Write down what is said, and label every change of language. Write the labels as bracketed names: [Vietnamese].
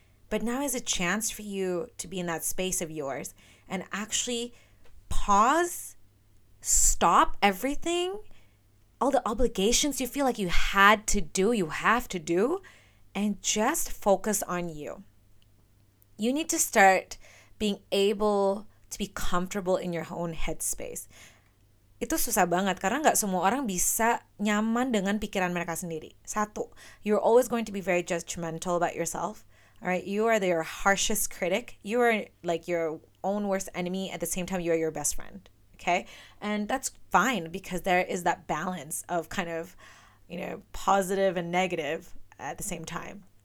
[English] But now is a chance for you to be in that space of yours and actually pause, stop everything, all the obligations you feel like you had to do, you have to do, and just focus on you. You need to start being able to be comfortable in your own headspace. [Indonesian] Itu susah banget karena nggak semua orang bisa nyaman dengan pikiran mereka sendiri. [English] Satu, you're always going to be very judgmental about yourself. All right, you are your harshest critic. You are like your own worst enemy. At the same time, you are your best friend. Okay, and that's fine because there is that balance of kind of, you know, positive and negative at the same time.